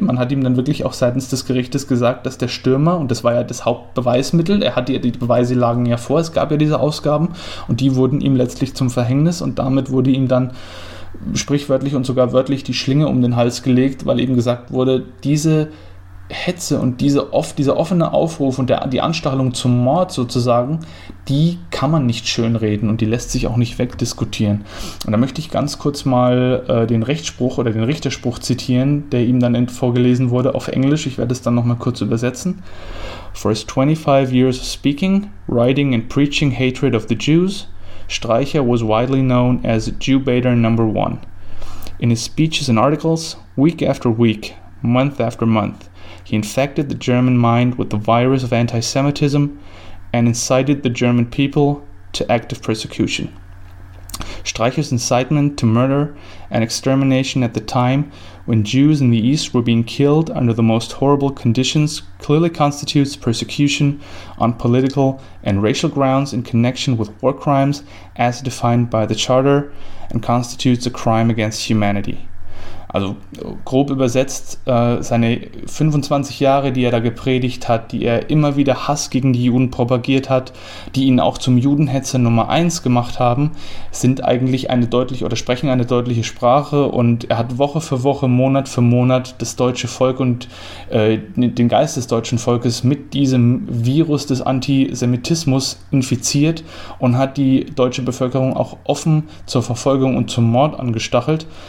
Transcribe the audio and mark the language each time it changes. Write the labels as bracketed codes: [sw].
[de] Man hat ihm dann wirklich auch seitens des Gerichtes gesagt, dass der Stürmer, und das war ja das Hauptbeweismittel, die Beweise lagen ja vor, es gab ja diese Ausgaben, und die wurden ihm letztlich zum Verhängnis, und damit wurde ihm dann sprichwörtlich und sogar wörtlich die Schlinge um den Hals gelegt, weil eben gesagt wurde, diese Hetze und dieser offene Aufruf und die Anstachelung zum Mord sozusagen, die kann man nicht schönreden und die lässt sich auch nicht wegdiskutieren. Und da möchte ich ganz kurz mal den Rechtsspruch oder den Richterspruch zitieren, der ihm dann vorgelesen wurde auf Englisch. Ich werde es dann nochmal kurz übersetzen. [en] For his 25 years of speaking, writing and preaching hatred of the Jews, Streicher was widely known as Jew-baiter number one. In his speeches and articles, week after week, month after month, he infected the German mind with the virus of anti-Semitism and incited the German people to active persecution. Streicher's incitement to murder and extermination at the time when Jews in the East were being killed under the most horrible conditions clearly constitutes persecution on political and racial grounds in connection with war crimes as defined by the Charter and constitutes a crime against humanity. [de] Also grob übersetzt, seine 25 Jahre, die er da gepredigt hat, die er immer wieder Hass gegen die Juden propagiert hat, die ihn auch zum Judenhetzer Nummer 1 gemacht haben, sind eigentlich sprechen eine deutliche Sprache, und er hat Woche für Woche, Monat für Monat das deutsche Volk und den Geist des deutschen Volkes mit diesem Virus des Antisemitismus infiziert und hat die deutsche Bevölkerung auch offen zur Verfolgung und zum Mord angestachelt.